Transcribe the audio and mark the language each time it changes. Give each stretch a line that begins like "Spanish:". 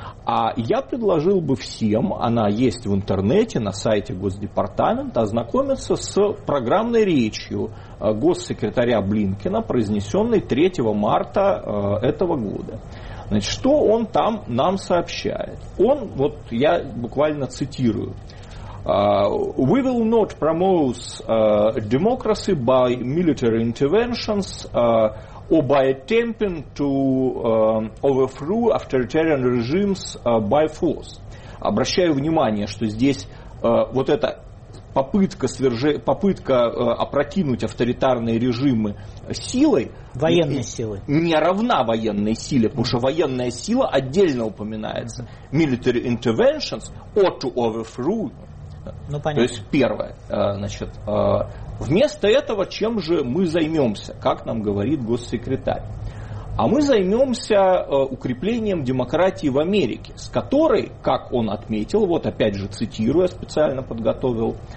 Russian: А я предложил бы всем, она есть в интернете, на сайте Госдепартамента, ознакомиться с программной речью госсекретаря Блинкена, произнесенной 3 марта этого года. Значит, что он там нам сообщает? Он, вот я буквально цитирую.
English: «We will not promote democracy by military interventions or by attempting to overthrow authoritarian regimes by force».
Russian: Обращаю внимание, что здесь вот эта попытка опрокинуть авторитарные режимы силой, военной силы, не равна военной силе, потому что военная сила отдельно упоминается.
English: Military interventions or to overthrow.
Russian: Ну, понятно. То есть первое. Значит, вместо этого чем же мы займемся, как нам говорит госсекретарь? А мы займемся укреплением демократии в Америке, с которой, как он отметил, вот опять же цитирую, специально подготовил,